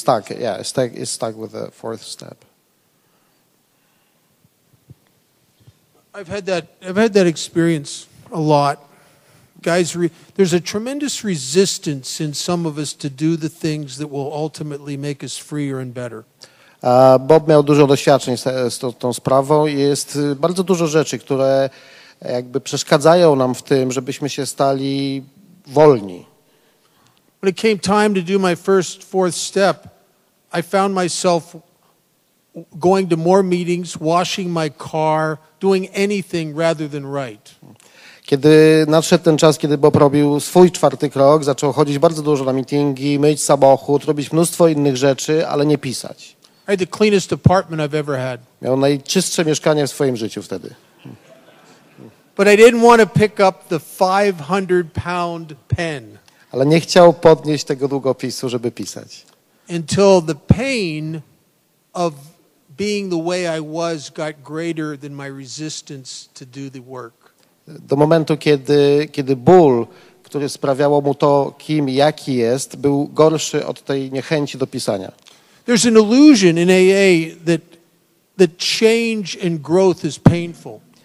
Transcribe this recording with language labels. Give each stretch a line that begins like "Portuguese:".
English: Is stuck with the fourth step. I've had that experience a lot. Guys, there's a tremendous resistance in some of us to do the things that will ultimately make us freer and better.
Polish: Bob miał dużo doświadczeń z tą sprawą. Jest bardzo dużo rzeczy, które jakby przeszkadzają nam w tym, żebyśmy się stali wolni.
English: When it came time to do my first fourth step, I found myself going to more meetings, washing my car, doing anything rather than write.
Polish: Kiedy nadszedł ten czas, kiedy Bob robił swój czwarty krok, zaczął chodzić bardzo dużo na meetingi, myć samochód, robić mnóstwo innych rzeczy, ale nie pisać.
English: I had the cleanest apartment I've ever had.
Polish: Miał najczystsze mieszkanie w swoim życiu wtedy.
English: But I didn't want to pick up the 500-pound pen.
Polish: Ale nie chciał podnieść tego długopisu, żeby pisać.
English: Until the pain of being the way I was got greater than my resistance to do the work.
Polish: Do momentu, kiedy ból, który sprawiało mu to, kim i jaki jest, był gorszy od tej niechęci do pisania.
English: There's an illusion in AA that change and growth is painful.